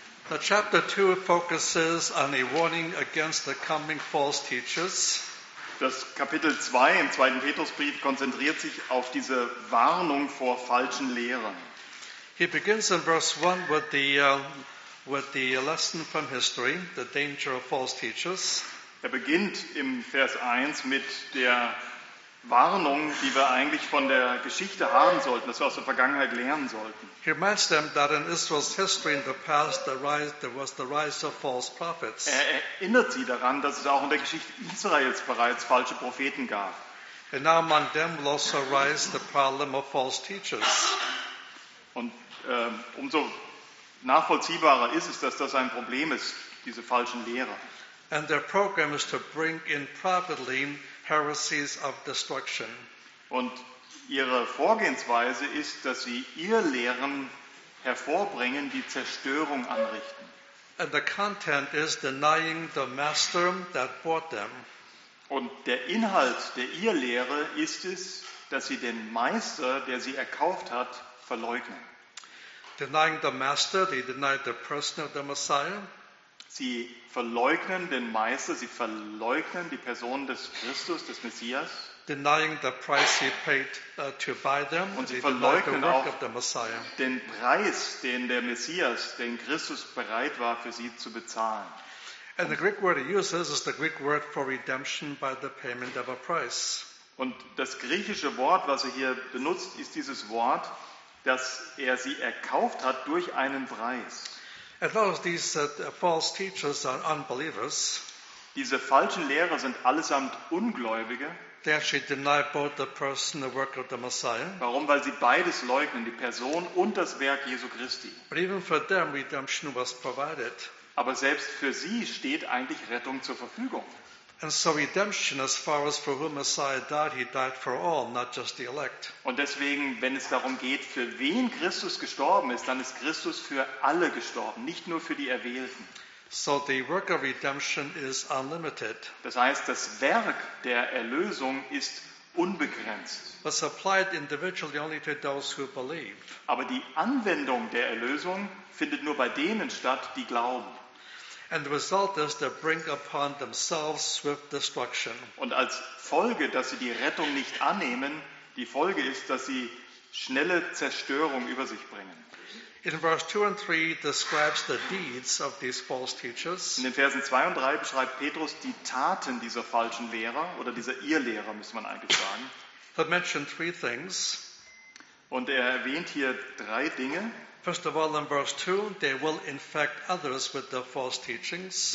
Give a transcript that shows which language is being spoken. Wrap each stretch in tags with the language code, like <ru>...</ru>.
<en>The chapter 2 focuses on a warning against the coming false teachers.</en> <de>Das Kapitel 2 im zweiten Petrusbrief konzentriert sich auf diese Warnung vor falschen Lehren.</de> <en>He begins in verse 1 with the lesson from history, the danger of false teachers.</en> <de>Er beginnt im Vers 1 mit der Warnung, die wir eigentlich von der Geschichte haben sollten, dass wir aus der Vergangenheit lernen sollten.</de> <en>He reminds them that in Israel's history in the past there was the rise of false prophets.</en> <de>Er erinnert sie daran, dass es auch in der Geschichte Israels bereits falsche Propheten gab.</de> <en>And now among them will also rise the problem of false teachers.</en> <de>Und umso nachvollziehbarer ist es, dass das ein Problem ist, diese falschen Lehrer.</de> <en>And their program is to bring in privately heresies of destruction.</en> <de>Und ihre Vorgehensweise ist, dass sie ihr Lehren hervorbringen, die Zerstörung anrichten.</de> <en>And the content is denying the master that bought them.</en> <de>Und der Inhalt der ihr Lehre ist es, dass sie den Meister, der sie erkauft hat, verleugnen.</de> <en>Denying the master, they deny the person of the Messiah.</en> <de>Sie verleugnen den Meister, sie verleugnen die Person des Christus, des Messias.</de> <en>Denying the price he paid to buy them.</en> <de>Und sie verleugnen auch den Preis, den der Messias, den Christus bereit war für sie zu bezahlen.</de> <en>And the Greek word he uses is the Greek word for redemption by the payment of a price.</en> <de>Und das griechische Wort, was er hier benutzt, ist dieses Wort, dass er sie erkauft hat durch einen Preis.</de> <en>And those, false teachers are unbelievers.</en> <de>Diese falschen Lehrer sind allesamt Ungläubige.</de> <en>They actually deny both the person and the work of the Messiah.</en> <de>Warum? Weil sie beides leugnen, die Person und das Werk Jesu Christi.</de> <en>But even for them, redemption was provided.</en> <de>Aber selbst für sie steht eigentlich Rettung zur Verfügung.</de> <en>And so redemption, as far as for whom Messiah died, he died for all, not just the elect.</en> <de>Und deswegen, wenn es darum geht, für wen Christus gestorben ist, dann ist Christus für alle gestorben, nicht nur für die Erwählten.</de> <en>So the work of redemption is unlimited.</en> <de>Das heißt, das Werk der Erlösung ist unbegrenzt.</de> <en>But applied individually only to those who believe.</en> <de>Aber die Anwendung der Erlösung findet nur bei denen statt, die glauben.</de> <en>And the result is they bring upon themselves swift destruction.</en> <de>Und als Folge, dass sie die Rettung nicht annehmen, die Folge ist, dass sie schnelle Zerstörung über sich bringen.</de> <en>In verse 2 and 3 describes the deeds of these false teachers.</en> <de>In den Versen 2 und 3 beschreibt Petrus die Taten dieser falschen Lehrer oder dieser Irrlehrer, müsste man eigentlich sagen.</de> <en>He mentioned three things.</en> <de>Und er erwähnt hier drei Dinge.</de> <en>First of all, in verse 2, they will infect others with their false teachings.</en>